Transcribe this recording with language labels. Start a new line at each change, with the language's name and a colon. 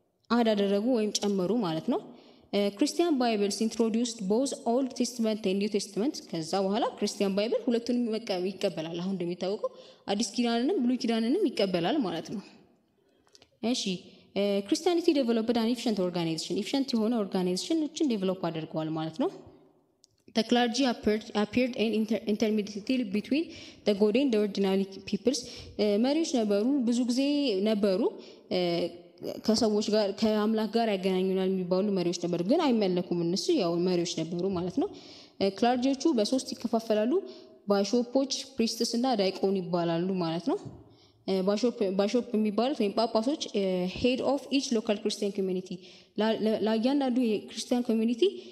Amharic: አዳደረጉ ወይም ጨመሩ ማለት ነው።
English: Christian Bibles introduced both Old Testament and New Testament.
Amharic: ከዛ በኋላ Christian Bible ሁለቱንም መቀበል ይቀበላል። አሁን እንደሚታወቀው አዲስ ኪዳንንም ብሉይ ኪዳንንም ይቀበላል ማለት ነው። እሺ
English: Christianity developed an efficient organization. Efficient የሆነ organization ልጅን develop
Amharic: አድርጓል ማለት ነው።
English: The clergy appeared in intermediate between the godly and the ordinary peoples.
Amharic: መሪዎች ነበሩ ብዙ ጊዜ ነበሩ ከሰዎች ጋር ከአምላክ ጋር ያገናኙናል የሚባሉ መሪዎች ነበሩ ግን አይመለኩም እነሱ ያው መሪዎች ነበሩ ማለት ነው። ክላርጂዎቹ በሶስት ይከፋፈላሉ ባሾፖች ፕሪስትስ እና ዳይቆን ይባላሉ ማለት ነው። ባሾፕ የሚባሉት ወይም ጳጳሶች
English: ሄድ ኦፍ ኢች ሎካል ክርስቲያን ኮሚኒቲ
Amharic: ለእያንዳንዱ የክርስቲያን ኮሚኒቲ